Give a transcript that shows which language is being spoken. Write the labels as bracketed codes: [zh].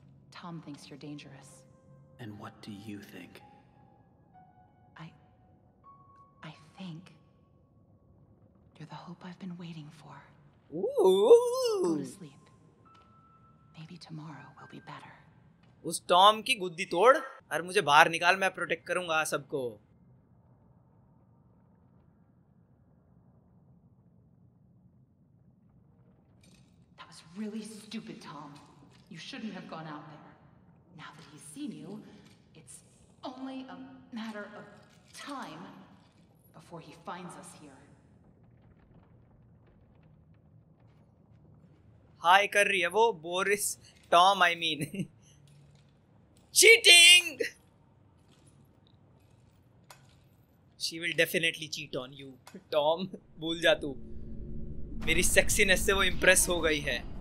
[en] Tom thinks you're dangerous. And what do you think? I think you're the hope I've been waiting for. Ooh. Go to sleep. Maybe tomorrow will be better. [hi] उस Tom की गुद्दी तोड़ और मुझे बाहर निकाल, मैं protect करूंगा सबको। [en] That was really stupid, Tom. You shouldn't have gone out there. Now that he's seen you, it's only a matter of time before he finds us here. [hi] High कर रही है वो Boris Tom [en] I mean cheating she will definitely cheat on you [hi] Tom भूल जा तू मेरी sexiness से वो इंप्रेस हो गई है